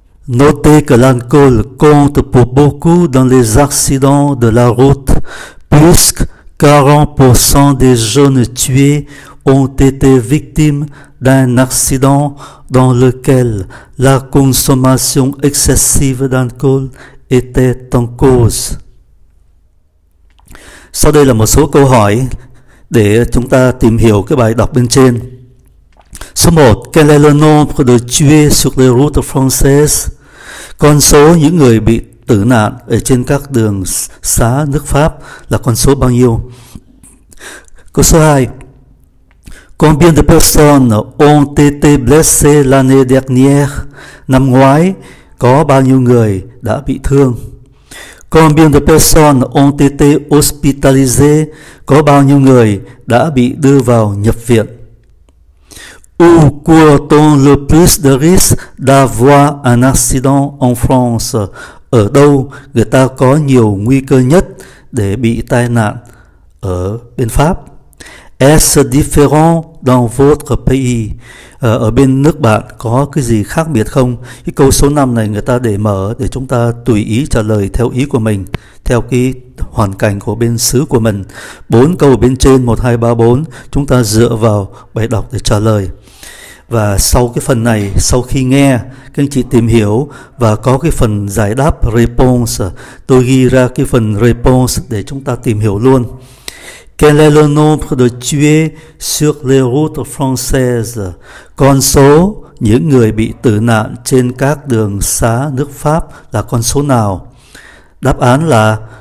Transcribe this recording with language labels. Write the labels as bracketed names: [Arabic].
[French] Notez que l'alcool compte pour beaucoup dans les accidents de la route, puisque 40% des jeunes tués ont été victimes d'un accident dans lequel la consommation excessive d'alcool était en cause. [Vietnamese] Sau đây là một số câu hỏi để chúng ta tìm hiểu cái bài đọc bên trên. Số 1. [French] Quel est le nombre de tués sur les routes françaises? [Vietnamese] Con số những người bị tử nạn ở trên các đường xá nước Pháp là con số bao nhiêu? Câu số 2. [French] Combien de personnes ont été blessées l'année dernière? [Vietnamese] Năm ngoái, có bao nhiêu người đã bị thương? [French] Combien de personnes ont été hospitalisées? [Vietnamese] Có bao nhiêu người đã bị đưa vào nhập viện? [French] Où court-on le plus de risque d'avoir un accident en France? [Vietnamese] Ở đâu người ta có nhiều nguy cơ nhất để bị tai nạn ở bên Pháp? [French] Est-ce différent dans votre pays? [Vietnamese] Ở bên nước bạn có cái gì khác biệt không? Cái câu số 5 này người ta để mở để chúng ta tùy ý trả lời theo ý của mình, theo cái hoàn cảnh của bên xứ của mình. 4 câu ở bên trên 1, 2, 3, 4 chúng ta dựa vào bài đọc để trả lời. Và sau cái phần này, sau khi nghe, các anh chị tìm hiểu và có cái phần giải đáp response, tôi ghi ra cái phần response để chúng ta tìm hiểu luôn. [French] Quel est le nombre de tués sur les routes françaises? [Vietnamese] Con số những người bị tử nạn trên các đường xá nước Pháp là con số nào? Đáp án là